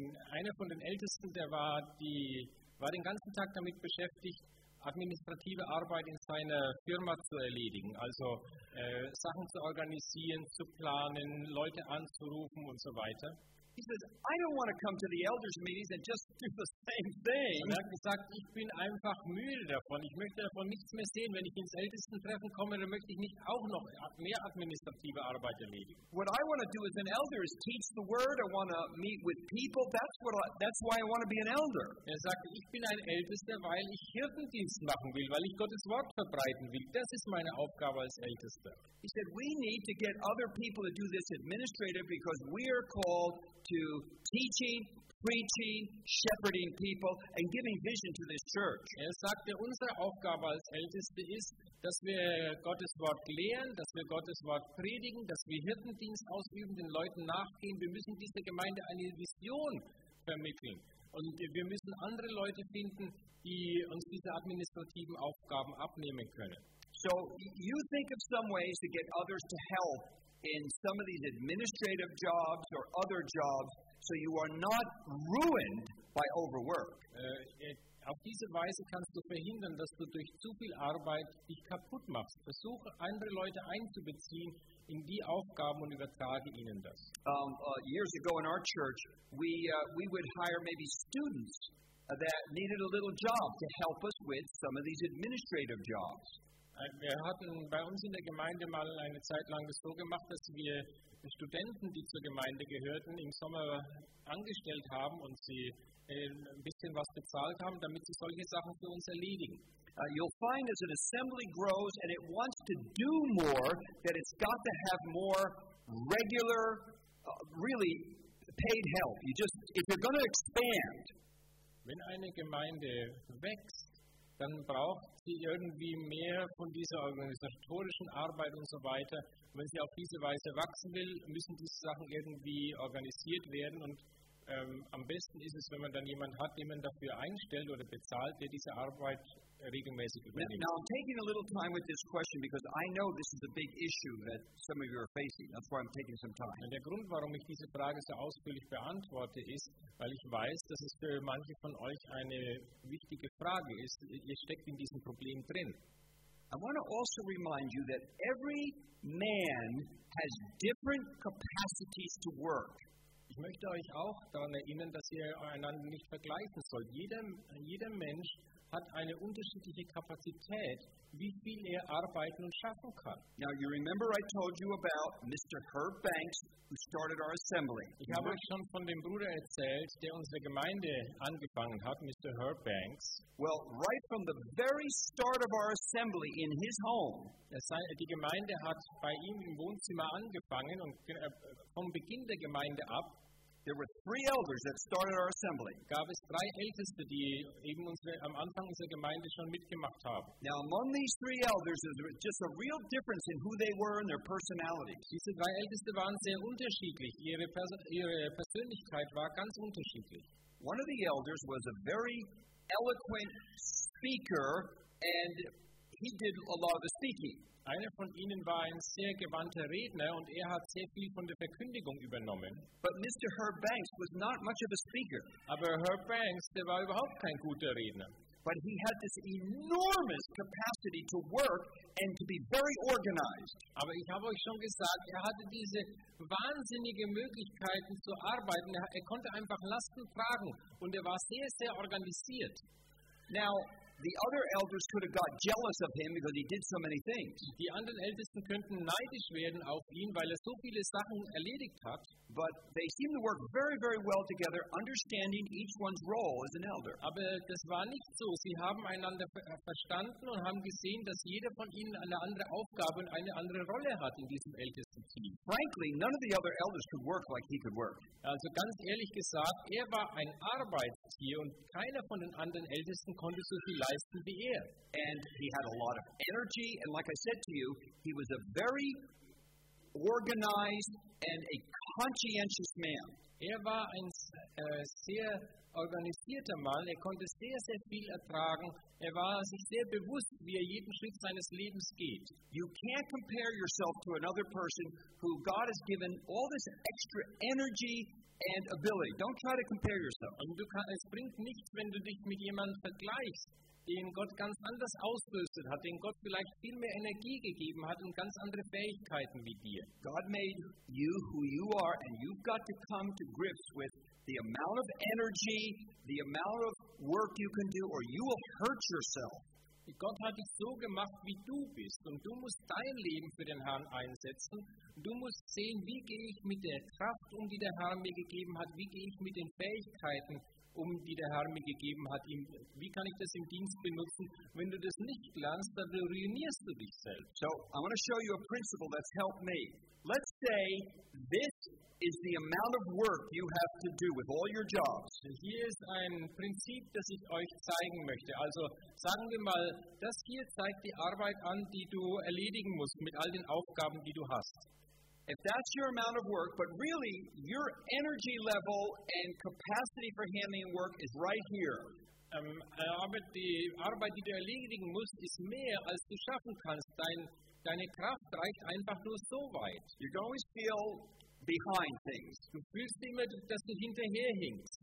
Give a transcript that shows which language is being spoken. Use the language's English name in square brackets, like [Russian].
[German] Einer von den Ältesten, der war den ganzen Tag damit beschäftigt, administrative Arbeit in seiner Firma zu erledigen, also Sachen zu organisieren, zu planen, Leute anzurufen und so weiter. [English] He says, I don't want to come to the elders' meetings and just do the same thing. [German] Und er hat gesagt, ich bin einfach müde davon. Ich möchte davon nichts mehr sehen. Wenn ich ins Ältestentreffen komme, dann möchte ich nicht auch noch mehr administrative Arbeit erledigen. [English] What I want to do as an elder is teach the word. I want to meet with people. That's why I want to be an elder. [German] Er sagt, ich bin ein Ältester, weil ich Hirtendienst machen will, weil ich Gottes Wort verbreiten will. Das ist meine Aufgabe als Ältester. [English] He said, we need to get other people to do this administrative because we are called to teaching, preaching, shepherding people and giving vision to this church. [German] Er sagte, unsere Aufgabe als Älteste ist, dass wir Gottes Wort lehren, dass wir Gottes Wort predigen, dass wir Hirtendienst ausüben, den Leuten nachgehen. Wir müssen dieser Gemeinde eine Vision vermitteln. Und wir müssen andere Leute finden, die uns diese administrativen Aufgaben abnehmen können. [English] So you think of some ways to get others to help in some of these administrative jobs or other jobs, so you are not ruined by overwork. [German] Auf diese Weise kannst du verhindern, dass du durch zu viel Arbeit dich kaputt machst. Versuche, andere Leute einzubeziehen in die Aufgaben und übertrage ihnen das. [English] Years ago in our church, we would hire maybe students that needed a little job to help us with some of these administrative jobs. [German] Wir hatten bei uns in der Gemeinde mal eine Zeit lang das so gemacht, dass wir Studenten, die zur Gemeinde gehörten, im Sommer angestellt haben und sie ein bisschen was bezahlt haben, damit sie solche Sachen für uns erledigen. [English] You'll find as an assembly grows and it wants to do more, that it's got to have more regular, really paid help. You just, if you're going to expand. [German] Wenn eine Gemeinde wächst, dann braucht sie irgendwie mehr von dieser organisatorischen Arbeit und so weiter. Und wenn sie auf diese Weise wachsen will, müssen diese Sachen irgendwie organisiert werden. Und am besten ist es, wenn man dann jemanden hat, den man dafür einstellt oder bezahlt, der diese Arbeit regelmäßig übernimmt. [English] Now I'm taking a little time with this question because I know this is a big issue that some of you are facing. That's why I'm taking some time. [German] Und der Grund, warum ich diese Frage so ausführlich beantworte, ist, weil ich weiß, dass es für manche von euch eine wichtige Frage ist. Ihr steckt in diesem Problem drin. [English] I want to also remind you that every man has different capacities to work. [German] Ich möchte euch auch daran erinnern, dass ihr einander nicht vergleichen sollt. Jeder Mensch hat eine unterschiedliche Kapazität, wie viel er arbeiten und schaffen kann. [English] Now you remember I told you about Mr. Herb Banks, who started our assembly. [German] Ich habe euch schon von dem Bruder erzählt, der unsere Gemeinde angefangen hat, Mr. Herb Banks. [English] Well, right from the very start of our assembly in his home. [German] Die Gemeinde hat bei ihm im Wohnzimmer angefangen und vom Beginn der Gemeinde ab. [English] There were three elders that started our assembly. [German] Gab es drei Älteste, die eben am Anfang unserer Gemeinde schon mitgemacht haben. [English] Now among these three elders, there was just a real difference in who they were and their personalities. [German] Diese drei Älteste waren sehr unterschiedlich. Ihre Persönlichkeit war ganz unterschiedlich. [English] One of the elders was a very eloquent speaker, and he did a lot of the speaking. [German] Einer von ihnen war ein sehr gewandter Redner und er hat sehr viel von der Verkündigung übernommen. [English] But Mr. Herb Banks was not much of a speaker. [German] Aber Herb Banks, der war überhaupt kein guter Redner. [English] But he had this enormous capacity to work and to be very organized. [German] Aber ich habe euch schon gesagt, er hatte diese wahnsinnige Möglichkeiten zu arbeiten. Er konnte einfach Lasten tragen und er war sehr, sehr organisiert. [English] Now, the other elders could have got jealous of him because he did so many things. [German] Die anderen Ältesten könnten neidisch werden auf ihn, weil er so viele Sachen erledigt hat. [English] But they seemed to work very, very well together, understanding each one's role as an elder. [German] Aber das war nicht so. Sie haben einander verstanden und haben gesehen, dass jeder von ihnen eine andere Aufgabe und eine andere Rolle hat in diesem Ältestenteam. [English] Frankly, none of the other elders could work like he could work. [German] Also ganz ehrlich gesagt, er war ein Arbeitstier und keiner von den anderen Ältesten konnte so viel leisten wie er. [English] And he had a lot of energy, and like I said to you, he was a very organized and a conscientious man. [German] Er war ein sehr organisierter Mann. Er konnte sehr, sehr viel ertragen. Er war sich sehr bewusst, wie er jeden Schritt seines Lebens geht. [English] You can't compare yourself to another person who God has given all this extra energy and ability. Don't try to compare yourself. [German] Und es bringt nichts, wenn du dich mit jemandem vergleichst, den Gott ganz anders ausgerüstet hat, den Gott vielleicht viel mehr Energie gegeben hat und ganz andere Fähigkeiten wie dir. [English] God made you who you are and you've got to come to grips with the amount of energy, the amount of work you can do or you will hurt yourself. [German] Gott hat dich so gemacht, wie du bist und du musst dein Leben für den Herrn einsetzen. Du musst sehen, wie gehe ich mit der Kraft um, die der Herr mir gegeben hat, wie gehe ich mit den Fähigkeiten um, die der Herr mir gegeben hat. Wie kann ich das im Dienst benutzen? Wenn du das nicht lernst, dann ruinierst du dich selbst. [English] So, I want to show you a principle that's helped me. Let's say this is the amount of work you have to do with all your jobs. [German] Hier ist ein Prinzip, das ich euch zeigen möchte. Also sagen wir mal, das hier zeigt die Arbeit an, die du erledigen musst mit all den Aufgaben, die du hast. [English] If that's your amount of work, but really your energy level and capacity for handling work is right here. [German] Die Arbeit, die du erledigen musst, ist mehr, als du schaffen kannst. Deine Kraft reicht einfach nur so weit. [English] You can always feel behind things. [German] Du fühlst immer, dass du hinterher hinkst.